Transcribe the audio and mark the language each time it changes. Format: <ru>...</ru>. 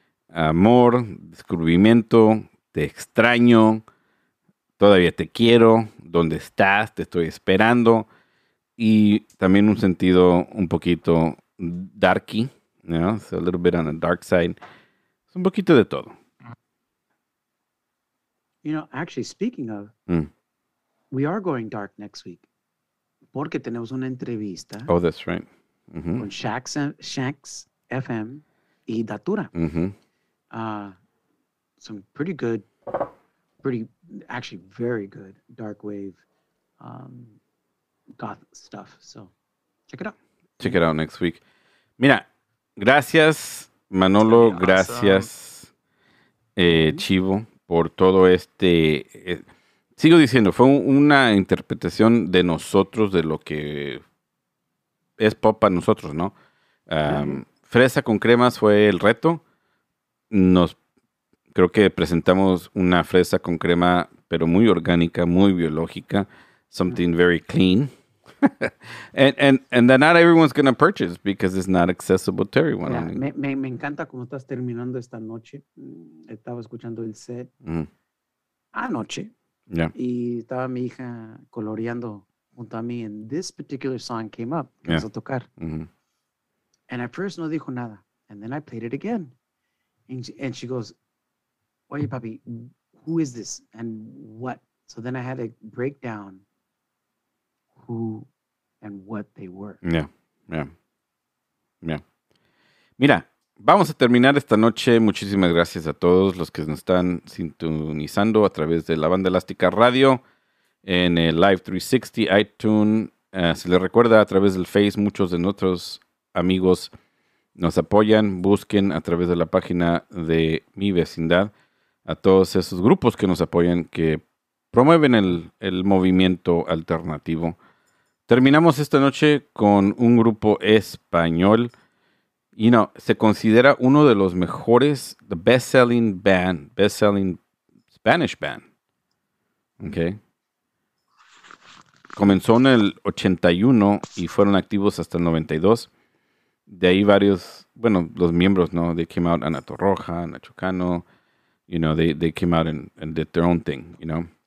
<es>Amor, descubrimiento, te extraño, todavía te quiero, ¿dónde estás? Te estoy esperando. Y también un sentido un poquito darky, ¿no?</es> <en>It's a little bit on the dark side.</en> <es>Es un poquito de todo.</es> <en>You know, actually, speaking of, we are going dark next week.</en> <es>Porque tenemos una entrevista.</es> <en>Oh, that's right.</en> <es>Mm-hmm. Con Shanks FM y Datura. Mm-hmm.</es> <en>Some pretty good, actually very good dark wave, goth stuff. So check it out. Check it out next week.</en> <es>Mira, gracias Manolo,</es> <en>awesome.</en> <es>Gracias Chivo por todo este. Sigo diciendo, fue una interpretación de nosotros de lo que es pop para nosotros, ¿no? Fresa con cremas fue el reto. Creo que presentamos una fresa con crema, pero muy orgánica, muy biológica,</es> <en>something very clean. and that not everyone's going to purchase because it's not accessible to everyone. Yeah,</en> <es>me encanta cómo estás terminando esta noche. Estaba escuchando el set anoche.</es> <en>Yeah.</en> <es>Y estaba mi hija coloreando junto a mí,</es> <en>and this particular song came up,</en> <es>que empezó a tocar. Mm-hmm.</es> <en>And at first</en> <es>no dijo nada,</es> <en>and then I played it again. And she goes,</en> <es>oye, papi,</es> <en>who is this and what? So then I had to break down who and what they were.</en> <es>Yeah. Mira, vamos a terminar esta noche. Muchísimas gracias a todos los que nos están sintonizando a través de la banda Elástica Radio en el Live 360, iTunes. Se les recuerda a través del Face, muchos de nuestros amigos nos apoyan, busquen a través de la página de Mi Vecindad a todos esos grupos que nos apoyan, que promueven el movimiento alternativo. Terminamos esta noche con un grupo español.</es> <en>You know,</en> <es>se considera uno de los mejores,</es> <en>the best-selling band, best-selling Spanish band. Okay.</en> <es>Comenzó en el 81 y fueron activos hasta el 92. De ahí varios, bueno, los miembros, ¿no?</es> <en>They came out, Ana Torroja, Nacho Cano, you know, they came out and did their own thing, you know.</en>